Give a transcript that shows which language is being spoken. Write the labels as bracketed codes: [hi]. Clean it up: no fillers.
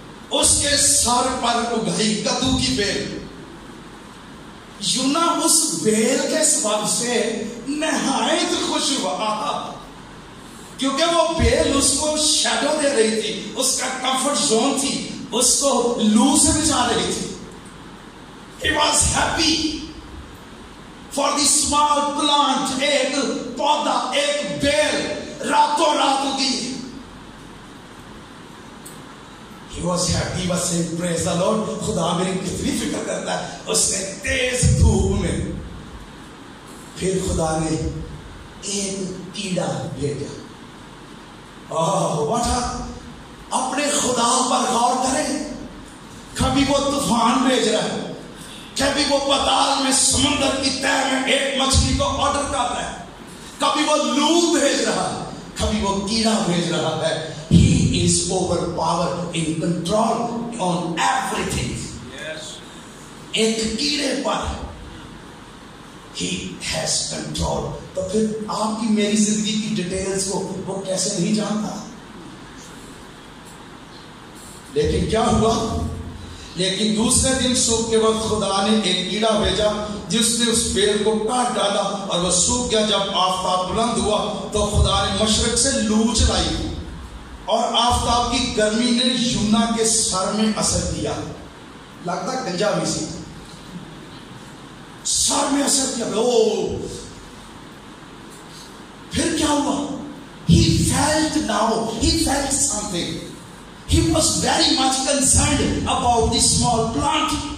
[ur] اس کے سر پر اگائی کدو کی بیل. یونا اس بیل کے سبب سے نہایت خوش ہوا کیونکہ وہ بیل اس کو شیڈو دے رہی تھی, اس کا کمفرٹ زون تھی, اس کو لو سے بچا رہی تھی. [en] He was happy for the small plant, [ur] ایک پودا, ایک بیل راتوں رات اگی. [en] He was happy, was saying, praise the Lord. [ur] خدا میری کتنی فکر کرتا ہے. اس نے تیز دھوپ میں پھر خدا نے ایک کیڑا بھیجا. واٹ اپنے خدا پر غور کریں. کبھی وہ طوفان بھیج رہا ہے, کبھی وہ پتال میں سمندر کی تہ میں ایک مچھلی کو آرڈر کر رہا ہے, کبھی وہ لو بھیج رہا ہے, کبھی وہ کیڑا بھیج رہا ہے. [en] He is over power in control on everything. [ur] ایک کیڑے پر [en] He has control. [ur] تو پھر آپ کی میری زندگی کی ڈیٹیلز کو وہ کیسے نہیں جانتا؟ لیکن کیا ہوا, لیکن دوسرے دن سوکھ کے وقت خدا نے ایک کیڑا بھیجا جس نے اس پیڑ کو کاٹ ڈالا اور وہ سوکھ گیا. جب آفتاب بلند ہوا تو خدا نے مشرق سے لو چلائی اور آفتاب کی گرمی نے یونا کے سر میں اثر کیا. لگتا گنجا بھی سی, سر میں اثر کیا. پھر کیا ہوا, [en] He felt now, he felt some thing. He was very much concerned about the small plant.